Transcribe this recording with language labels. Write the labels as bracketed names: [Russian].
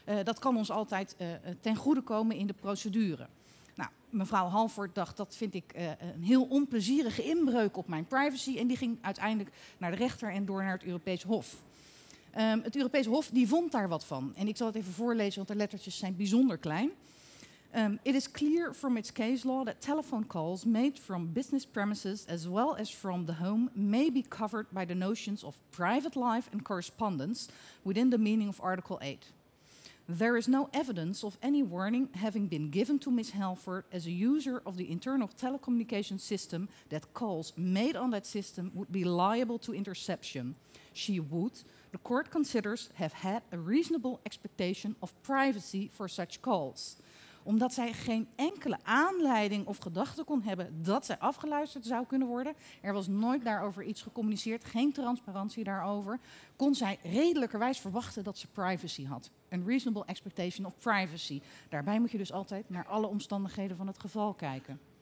[Dutch] Dat kan ons altijd ten goede komen in de procedure. Nou, mevrouw Halford dacht, dat vind ik een heel onplezierige inbreuk op mijn privacy. En die ging uiteindelijk naar de rechter en door naar het Europees Hof. Het Europees Hof die vond daar wat van. En ik zal het even voorlezen, want de lettertjes zijn bijzonder klein. [English] It is clear from its case law that telephone calls made from business premises as well as from the home may be covered by the notions of private life and correspondence within the meaning of Article 8. There is no evidence of any warning having been given to Ms. Halford as a user of the internal telecommunication system that calls made on that system would be liable to interception. She would, the court considers, have had a reasonable expectation of privacy for such calls. [Dutch] Omdat zij geen enkele aanleiding of gedachte kon hebben dat zij afgeluisterd zou kunnen worden. Er was nooit daarover iets gecommuniceerd, geen transparantie daarover. Kon zij redelijkerwijs verwachten dat ze privacy had. Een [English] reasonable expectation of privacy. [Dutch] Daarbij moet je dus altijd naar alle omstandigheden van het geval kijken.